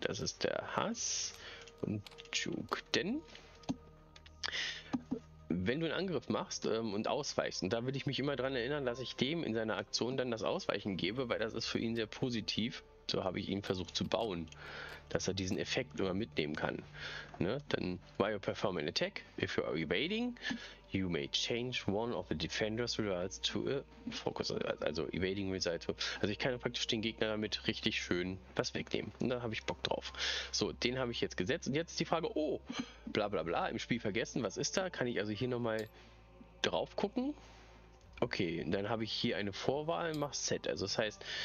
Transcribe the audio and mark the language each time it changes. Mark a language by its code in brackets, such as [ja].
[de] Das ist der Hass. Und Juke. Denn wenn du einen Angriff machst und ausweichst, und da will ich mich immer dran erinnern, dass ich dem in seiner Aktion dann das Ausweichen gebe, weil das ist für ihn sehr positiv. So habe ich ihn versucht zu bauen, dass er diesen Effekt immer mitnehmen kann. Ne? [en] Dann, while you perform an attack, if you are evading, you may change one of the defender's results to a focus. Also evading result. [de] Also ich kann praktisch den Gegner damit richtig schön was wegnehmen. Und da habe ich Bock drauf. So, den habe ich jetzt gesetzt. Und jetzt ist die Frage, oh, bla bla bla, im Spiel vergessen, was ist da? Kann ich also hier nochmal drauf gucken? Okay, und dann habe ich hier eine Vorwahl, mach Set. Also das heißt.